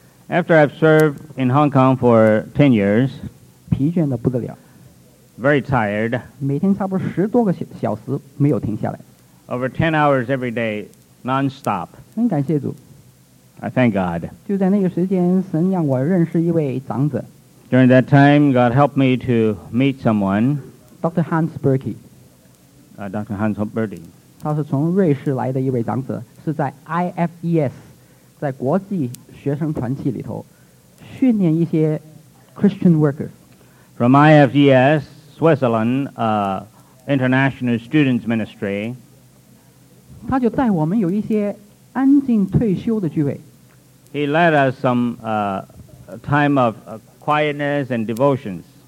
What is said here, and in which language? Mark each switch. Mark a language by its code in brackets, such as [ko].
[en] After I've served in Hong Kong for 10 years, [zh] 疲倦得不得了。 [en] Very tired. [zh] 每天差不多十多个小时没有停下来。 [en] Over 10 hours every day, non-stop. [zh] 很感谢主。 [en] I thank God. [zh] 就在那个时间，神让我认识一位长者。 [en] During that time, God helped me to meet someone. Dr. Hans Berkey. Dr. Hans Berkey. [zh] 他是从瑞士来的一位长者，是在 IFES, 在国际学生团契里头训练一些 [en] Christian workers. From IFES, Switzerland, International Students Ministry, [zh] 他就带我们有一些安静退休的聚会。 [en] He led us some time of quietness and devotions.